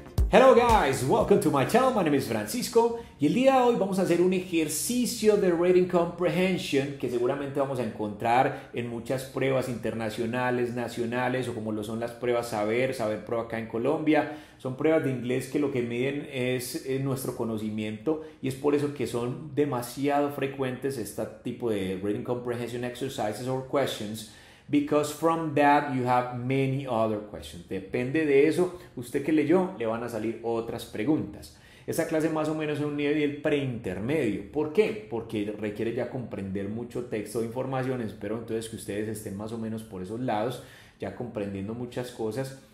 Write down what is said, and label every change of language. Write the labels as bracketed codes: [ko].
[en] Hello guys, welcome to my channel, my name is Francisco [es] y el día de hoy vamos a hacer un ejercicio de [en] reading comprehension [es] que seguramente vamos a encontrar en muchas pruebas internacionales, nacionales o como lo son las pruebas SABER, SABER Pro acá en Colombia. Son pruebas de inglés que lo que miden es nuestro conocimiento y es por eso que son demasiado frecuentes este tipo de [en] reading comprehension exercises or questions. Because from that you have many other questions. [es] Depende de eso, usted que leyó, le van a salir otras preguntas. Esa clase más o menos es un nivel preintermedio. ¿Por qué? Porque requiere ya comprender mucho texto de información. Espero entonces que ustedes estén más o menos por esos lados, ya comprendiendo muchas cosas.